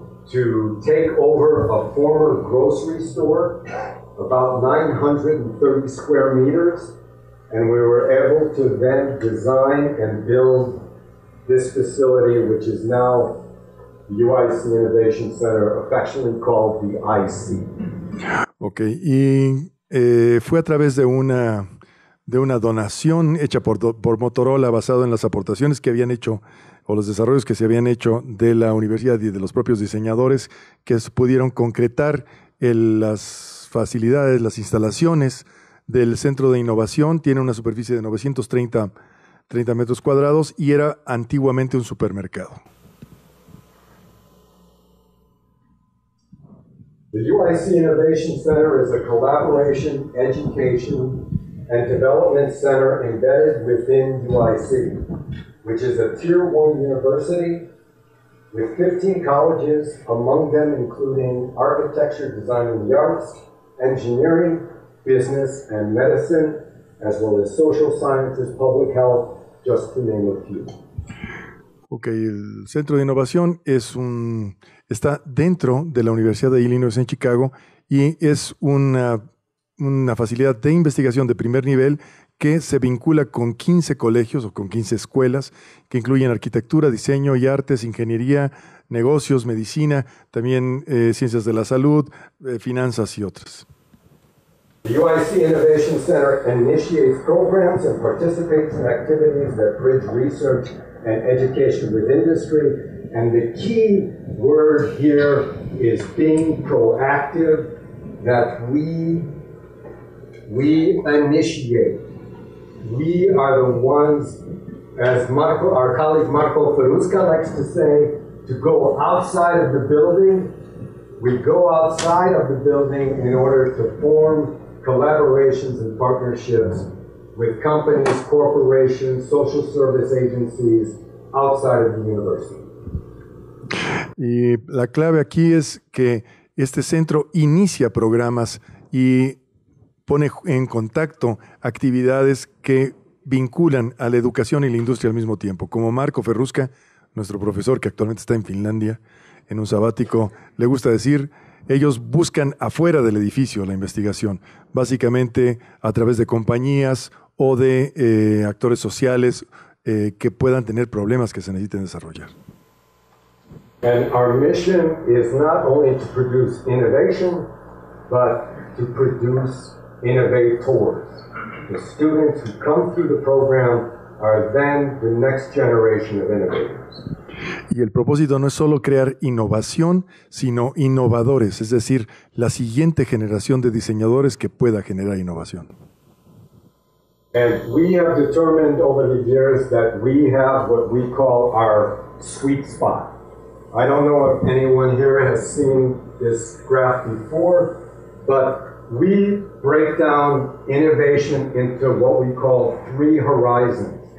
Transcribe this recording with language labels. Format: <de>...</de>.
<en>to take over a former grocery store, about 930 square meters, and we were able to then design and build this facility, which is now the UIC Innovation Center, affectionately called the IC.</en> <es>Okay, y fue a través de una donación hecha por Motorola basado en las aportaciones que habían hecho o los desarrollos que se habían hecho de la universidad y de los propios diseñadores que pudieron concretar las facilidades, las instalaciones del centro de innovación. Tiene una superficie de 930 metros cuadrados y era antiguamente un supermercado.</es> <en>The UIC Innovation Center is a collaboration education and development center embedded within UIC, which is a tier one university with 15 colleges, among them including architecture, design and the arts, engineering, business and medicine, as well as social sciences, public health, just to name a few.</en> <es>Okay, el centro de innovación está dentro de la Universidad de Illinois en Chicago y es una facilidad de investigación de primer nivel que se vincula con 15 colegios o con 15 escuelas que incluyen arquitectura, diseño y artes, ingeniería, negocios, medicina, también ciencias de la salud, finanzas y otras.</es> <en>The UIC Innovation Center initiates programs and participates in activities that bridge research and education with industry. And the key word here is being proactive, that we initiate. We are the ones, as our colleague Marco Ferrusca likes to say, to go outside of the building. We go outside of the building in order to form collaborations and partnerships with companies, corporations, social service agencies outside of the university.</en> <es>Y la clave aquí es que Este centro inicia programas y pone en contacto actividades que vinculan a la educación y la industria al mismo tiempo. Como Marco Ferrusca, nuestro profesor que actualmente está en Finlandia, en un sabático, le gusta decir, ellos buscan afuera del edificio la investigación, básicamente a través de compañías o de actores sociales que puedan tener problemas que se necesiten desarrollar.</es> <en>And our mission is not only to produce innovation, but to produce innovators. The students who come through the program are then the next generation of innovators.</en> <es>Y el propósito no es solo crear innovación, sino innovadores, es decir, la siguiente generación de diseñadores que pueda generar innovación.</es> <en>And we have determined over the years that we have what we call our sweet spot. I don't know if anyone here has seen this graph before, but we break down innovation into what we call three horizons.</en>